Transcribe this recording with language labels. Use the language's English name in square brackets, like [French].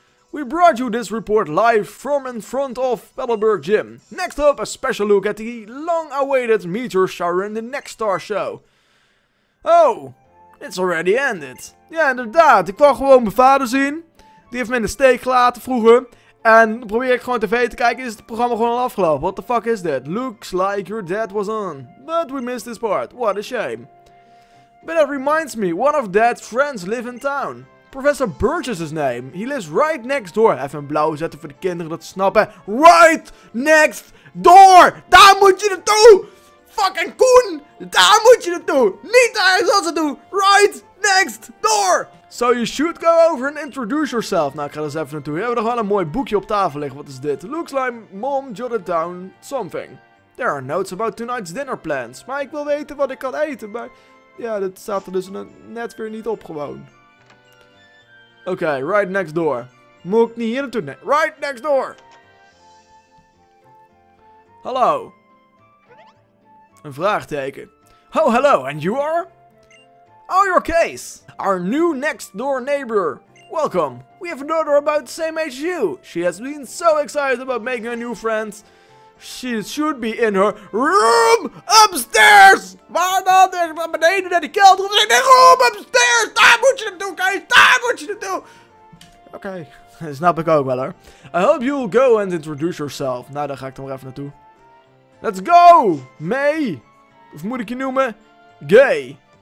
[English] We brought you this report live from in front of Pedalwork Gym. Next up, a special look at the long-awaited meteor shower in the next star show. Oh, it's already ended. [Dutch] Ja, inderdaad. Ik wou gewoon mijn vader zien. Die heeft me in de steek gelaten vroeger. En dan probeer ik gewoon tv te kijken. Is het programma gewoon al afgelopen? [English] What the fuck is that? Looks like your dad was on. But we missed this part. What a shame. But that reminds me, one of Dad's friends live in town. Professor Birch is his name. He lives right next door. [Dutch] Even een blauw zetten voor de kinderen dat snappen. [English] Right next door! [Dutch] Daar moet je naartoe! Fucking Koen! Daar moet je naartoe! Niet daar zoals ze doen! [English] Right next door! So you should go over and introduce yourself. [Dutch] Nou, ik ga er eens even naartoe. We hebben nog wel een mooi boekje op tafel liggen. Wat is dit? [English] Looks like mom jotted down something. There are notes about tonight's dinner plans. [Dutch] Maar ik wil weten wat ik kan eten, maar... Ja, dat staat er dus net weer niet op gewoon. Oké, [English] right next door. [Dutch] Moet ik niet hier naartoe? [English] Nee, right next door! [Dutch] Hallo. Een vraagteken. [English] Oh, hello, and you are? Oh, your case! Our new next door neighbor. Welcome. We have a daughter about the same age as you. She has been so excited about making a new friend. She should be in her room upstairs! [Dutch] Waar dan? Is naar beneden naar die kelder? Of in de [English] room upstairs! [Dutch] Daar moet je naartoe, Kees! Daar moet je naartoe! Oké, okay. Snap ik ook wel hoor. [English] I hope you'll go and introduce yourself. [Dutch] Nou, daar ga ik dan maar even naartoe. [English] Let's go! [Dutch] May! Of moet ik je noemen? Gay!